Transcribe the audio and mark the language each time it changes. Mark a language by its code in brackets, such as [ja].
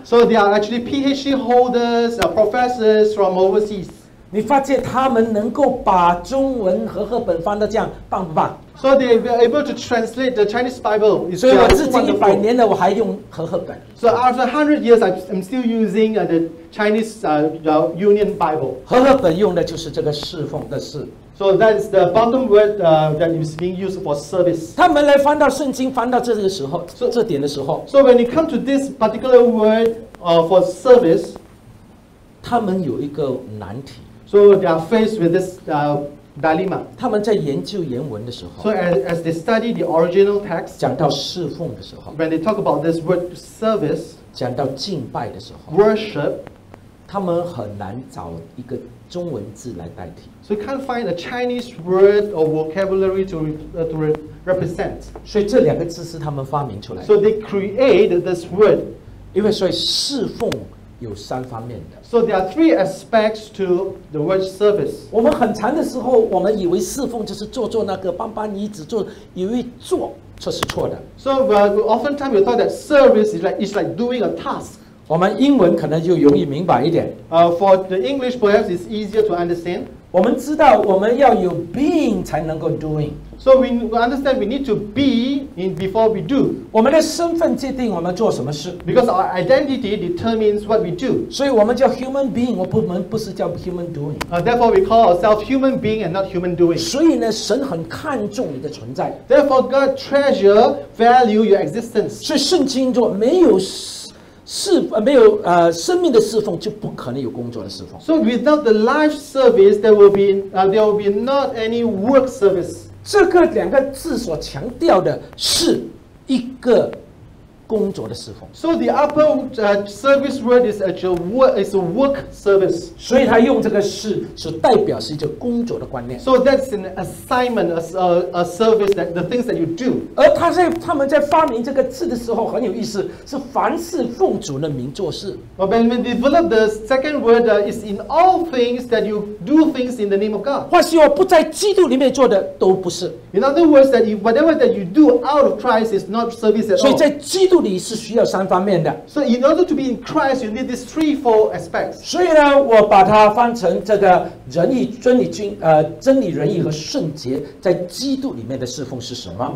[en] So they are actually PhD holders, professors from overseas. [zh] 你发现他们能够把中文和合本翻得这样棒不棒 [en] ？So they are able to translate the Chinese Bible. [zh] 所以我至今100年了，我还用和合本。 [en] So after 100 years, I'm still using the Chinese Union Bible. [zh] 和合本用的就是这个侍奉的事。 [en] So that's the bottom word that is being used for service. [zh] 他们来翻到圣经，翻到这个时候，这点的时候。 [en] So when you come to this particular word for service, [zh] 他们有一个难题。 [en] So they are faced with this dilemma. [zh] 他们在研究原文的时候。 [en] So as they study the original text. [zh] 讲到侍奉的时候。 [en] When they talk about this word service. [zh] 讲到敬拜的时候。 [en] Worship. [zh] 他们很难找一个中文字来代替。 [en] So you can't find a Chinese word or vocabulary to represent. [zh] 所以这两个字是他们发明出来的。 [en] So they created this word. [zh] 因为所以侍奉。有三方面的。 [en] So there are three aspects to the word service. [zh] 我们很长的时候，我们以为侍奉就是坐坐那个搬搬椅子坐，以为坐这是错的。 [en] So oftentimes you thought that service is like doing a task. [zh] 我们英文可能就容易明白一点。 [en] For the English perhaps it's easier to understand. [zh] 我们知道我们要有 being 才能够 doing. [en] So we understand we need to be in before we do. [zh] 我们的身份界定我们做什么事。 [en] Because our identity determines what we do. [zh] 所以我们叫 [en] human being, [zh] 我们不是叫 [en] human doing. Therefore we call ourselves human being and not human doing. [zh] 所以呢，神很看重你的存在。 [en] Therefore God treasure value your existence. [zh] 所以圣经说没有生命的侍奉就不可能有工作的侍奉。 [en] So without the life service, there will be not any work service. [zh] 这个两个字所强调的是一个工作的侍奉。 [en] So the upper service word is actually work, is a work service. [zh] 所以他用这个是，是代表是一个工作的观念。 [en] So that's an assignment, a service that the things that you do. [zh] 而他们在发明这个字的时候很有意思，是凡事奉主的名做事。 [en] But when we develop the second word, is in all things that you do things in the name of God. [zh] 或许我不在基督里面做的都不是。 [en] In other words, that whatever that you do out of Christ is not service at all. [zh] 所以在基督里是需要三方面的。 [en] So in order to be in Christ, you need these threefold aspects. [zh] 所以呢，我把它翻成这个仁义、真理、君、真理、仁义和圣洁在基督里面的侍奉是什么